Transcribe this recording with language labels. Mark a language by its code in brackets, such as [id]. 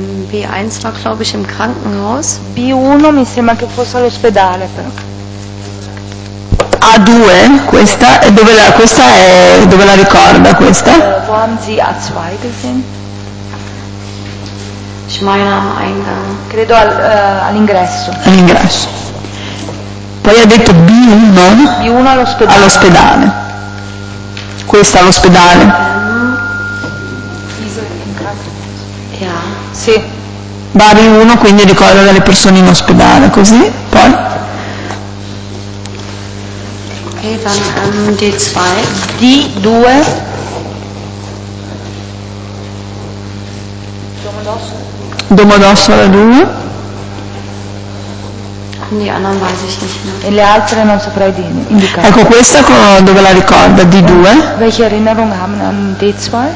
[de] B1 war, glaube ich, im Krankenhaus. [it] B1 mi sembra che fosse all'ospedale, però. A2, questa, e dove la, questa è, dove la ricorda questa? [de] Wo haben Sie A2 gesehen? Ich meine am Eingang. [it] Credo al, all'ingresso. All'ingresso. Poi ha detto B1. B1 all'ospedale. All'ospedale. Questa all'ospedale. Sì. Bari 1, quindi ricorda delle persone in ospedale, così, poi. [de] E dann D2. [it] D2. Domodossola 2. E le altre non saprei di indicare. Ecco, questa dove la ricorda, D2. [de] Welche Erinnerung haben an D2?